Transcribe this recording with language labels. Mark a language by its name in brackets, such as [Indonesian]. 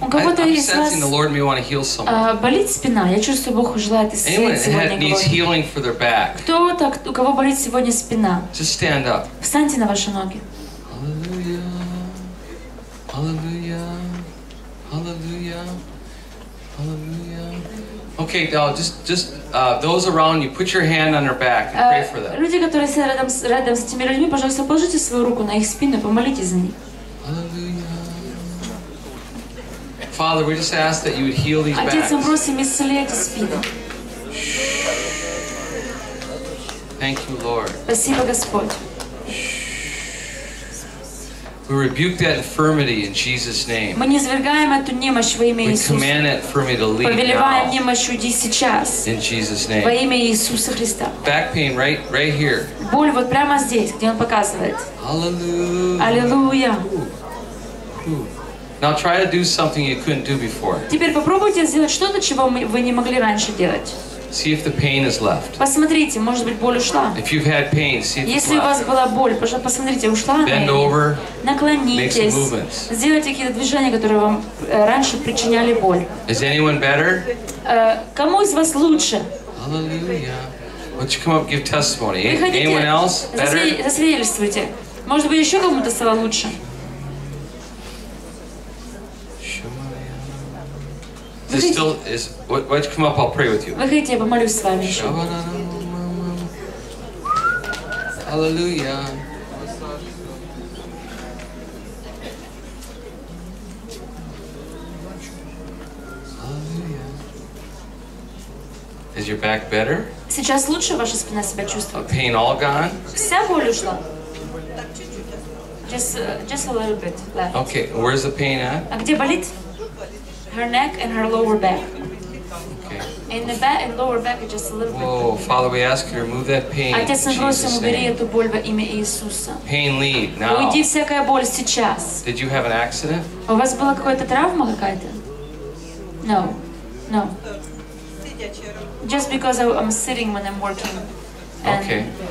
[English] I'm sensing the Lord may want to heal someone. [Russian] Болит спина. Я чувствую, Бог желает исцелить сегодня кого-то. [English] Anyone needs healing for their back? [Russian] Кто-то, у кого болит сегодня спина? [English] Just stand up. [Russian] Встаньте на ваши ноги. [English] Hallelujah. Hallelujah. Hallelujah. Hallelujah. Okay, now those around you, put your hand on their back and pray for them. [Russian] Люди, которые сидят рядом с этими людьми, пожалуйста, положите свою руку на их спину, помолитесь за них. [English] Father, we just ask that you would heal these backs. [Russian] Отец, мы просим исцелить спину. [English] Thank you, Lord. [Russian] Спасибо, Господь. [English] We rebuke that infirmity in Jesus' name. [Russian] Мы низвергаем эту немощь во имя Иисуса. [English] We command that infirmity to leave now. [Russian] Повелеваем немощь уйти сейчас. [English] In Jesus' name. [Russian] Во имя Иисуса Христа. [English] Back pain, right here. [Russian] Боль вот прямо здесь, где он показывает. [English] Hallelujah. [Russian] Аллилуйя. [English] Now try to do something you couldn't do before. [Russian] Теперь попробуйте сделать что-то, чего вы не могли раньше делать. [English] See if the pain is left. [Russian] Посмотрите, может быть, боль ушла. [English] If you've had pain, see if it's left. [Russian] Если у вас была боль, пожалуйста, посмотрите, ушла она. [English] Bend over. [Russian] Наклонитесь. [English] Make some movements. [Russian] Сделайте какие-то движения, которые вам раньше причиняли боль. [English] Is anyone better? [Russian] Кому из вас лучше? [English] Hallelujah. Would you come up, give testimony? Anyone else better? [Russian] Засвидетельствуйте. Может быть, еще кому-то стало лучше? [English] Why don't you come up, I'll pray with you. [Russian] Выходите, я помолюсь с вами еще. [English] Hallelujah. Is your back better? [Russian] Сейчас лучше ваша спина себя чувствует? [English] Pain all gone? [Russian] Вся боль ушла. [English] Just a little bit left. Okay, where's the pain at? [Russian] А где болит? [English] Her neck and her lower back. Okay. In the back and lower back, just a little bit. Whoa, Father, we ask you to remove that pain. [Russian] Отец, мы просим, убери эту боль во имя Иисуса. [English] Pain leave now. [Russian] Уйди всякая боль сейчас. [English] Did you have an accident? [Russian] У вас была какая-то травма какая-то? [English] No. No. Just because I'm sitting when I'm working. Okay.